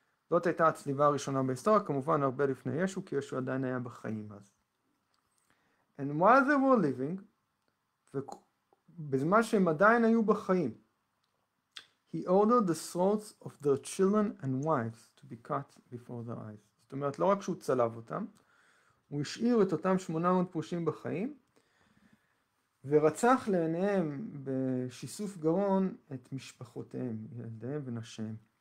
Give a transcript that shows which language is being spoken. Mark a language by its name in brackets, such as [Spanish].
[Hebrew] זאת הייתה הצליבה הראשונה בהיסטוריה, כמובן הרבה לפני ישו, כי ישו עדיין היה בחיים אז. [English] And while they were living, בזמן שהם עדיין היו בחיים, he ordered the throats of their children and wives to be cut before their eyes. [Hebrew] זאת אומרת, לא רק שהוא צלב אותם, הוא השאיר את אותם 800 פרושים בחיים, ורצח לעיניהם בשיסוף גרון את משפחותיהם, ילדיהם ונשיהם.